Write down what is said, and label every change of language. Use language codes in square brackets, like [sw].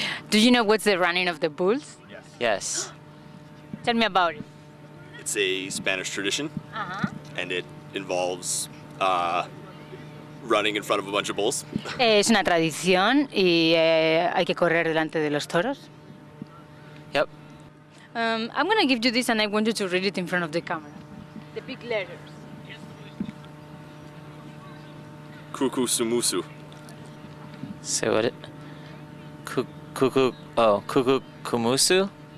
[en] Do you know what's the running of the bulls? Yes. Yes. Tell me about it. It's a Spanish tradition, and it involves running in front of a bunch of bulls. [es] Es una tradición y hay que correr delante de los toros. [en] Yep. I'm going to give you this and I want you to read it in front of the camera. The big letters. Kuku sumusu. Say what? Kuku kumusu?